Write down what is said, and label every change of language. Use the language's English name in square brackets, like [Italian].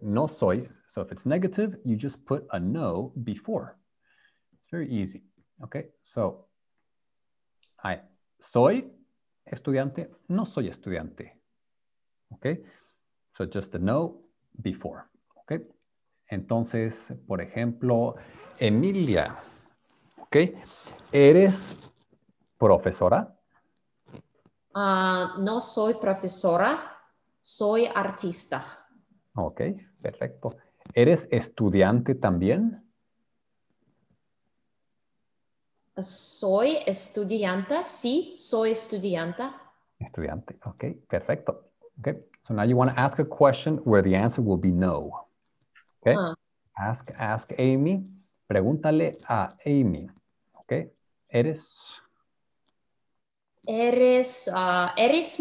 [Spanish] No soy, [English] so if it's negative, you just put a no before. It's very easy, okay? [Spanish] So, I soy estudiante, no soy estudiante, okay? [English] So just a no before, okay? [Spanish] Entonces, por ejemplo, [English] Emilia, okay? [Spanish] ¿Eres profesora? No soy profesora, soy artista. Ok, perfecto. ¿Eres estudiante también? Soy estudiante, sí, soy estudiante. Estudiante, ok, perfecto. Okay. [English] So now you want to ask a question where the answer will be no. [Spanish] Ok, [English] ask Amy, [Spanish] pregúntale a Amy, ok, ¿Eres